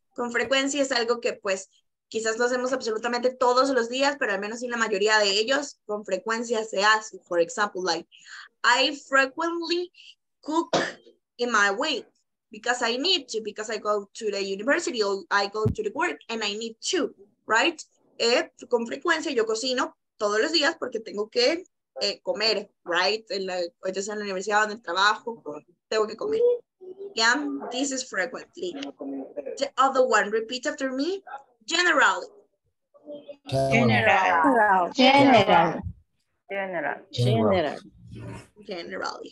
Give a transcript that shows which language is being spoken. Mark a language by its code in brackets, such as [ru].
[es] Con frecuencia es algo que pues quizás lo hacemos absolutamente todos los días, pero al menos en la mayoría de ellos, con frecuencia se hace. [en] For example, like, I frequently cook in my week because I need to, because I go to the university or I go to the work and I need to, right? [es] Con frecuencia yo cocino todos los días porque tengo que comer, right? En la, ya sea en la universidad, en el trabajo, tengo que comer. [en] Yeah, this is frequently. The other one, repeat after me. Generally. General.